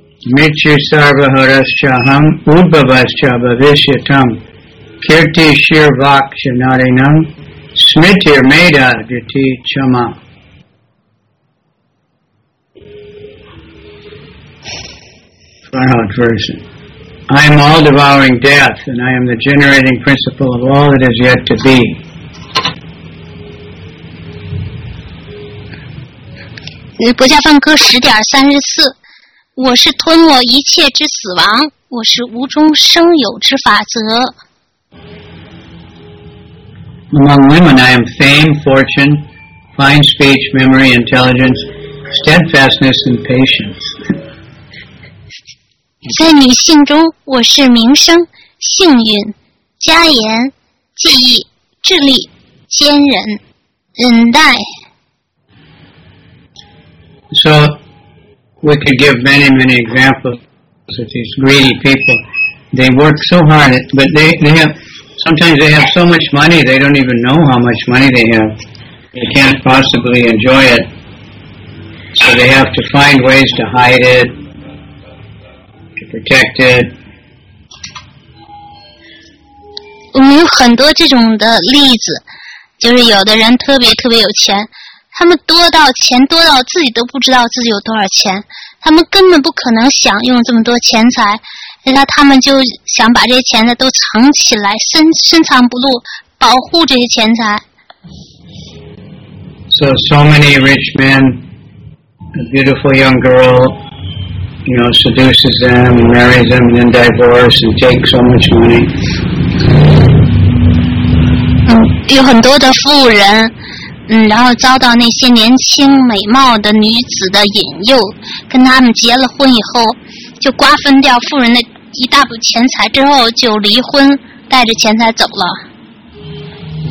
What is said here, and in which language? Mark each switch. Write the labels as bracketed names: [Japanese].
[Sanskrit] Mitchy Sarvaharashaham Ubhavashabhavishyatam Kirti Shirvakshanarinam Smitir Meda Diti Chama。 [English] Final version. I am all devouring death, and I am the generating principle of all that is yet to be. [Chinese] 《博伽梵歌》10.34，我是吞没一切之死亡，我是无中生有之法则。 [English] Among women, I am fame, fortune, fine speech, memory, intelligence, steadfastness, and patience. [Chinese] 在女性中，我是名声、幸运、家言、记忆、智力、坚韧、忍耐。 [English] So we could give many, many examples of these greedy people. They work so hard, but they have so much money they don't even know how much money they have. They can't possibly enjoy it, so they have to find ways to hide it. Protected. [Chinese] 我们有很多这种的例子，就是有的人特别特别有钱，他们多到钱多到自己都不知道自己有多少钱，他们根本不可能想用这么多钱财，然后他们就想把这些钱都藏起来，深藏不露，保护这些钱财。 [English] So many rich men, a beautiful young girl. Seduces them, marries them, and then divorce and take so much money. [Chinese] 有很多的富人，然后遭到那些年轻美貌的女子的引诱，跟他们结了婚以后，就瓜分掉富人的一大笔钱财之后就离婚，带着钱财走了。